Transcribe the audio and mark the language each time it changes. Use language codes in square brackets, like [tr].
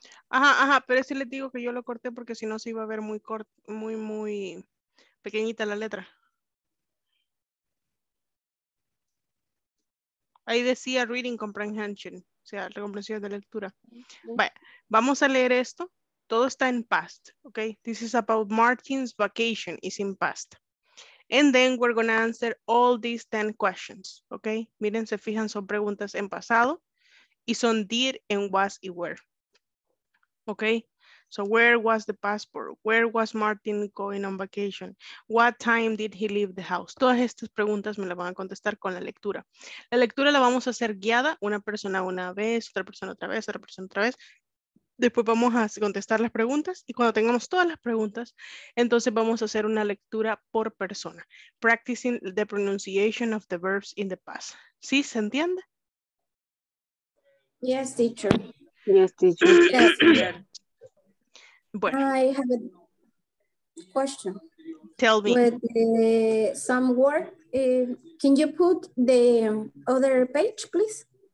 [es] Ajá, ajá, pero sí les digo que yo lo corté porque si no se iba a ver muy corto, muy, muy pequeñita la letra. Ahí decía [en] reading comprehension, [es] o sea, la comprensión de lectura. Vale, vamos a leer esto. Todo está en past, ok. [en] This is about Martin's vacation, is in past. And then we're going to answer all these 10 questions, ok. [es] Miren, se fijan, son preguntas en pasado y son did and was y were. [en] Ok, so where was the passport? Where was Martin going on vacation? What time did he leave the house? [es] Todas estas preguntas me las van a contestar con la lectura. La lectura la vamos a hacer guiada, una persona una vez, otra persona otra vez, otra persona otra vez. Después vamos a contestar las preguntas y cuando tengamos todas las preguntas, entonces vamos a hacer una lectura por persona. [en] Practicing the pronunciation of the verbs in the past. [es] ¿Sí? ¿Se entiende? [en] Yes, teacher. Yes, teacher. Yes. [es] Bueno. [en] I have a question. Tell me. With some work, can you put the other page, please?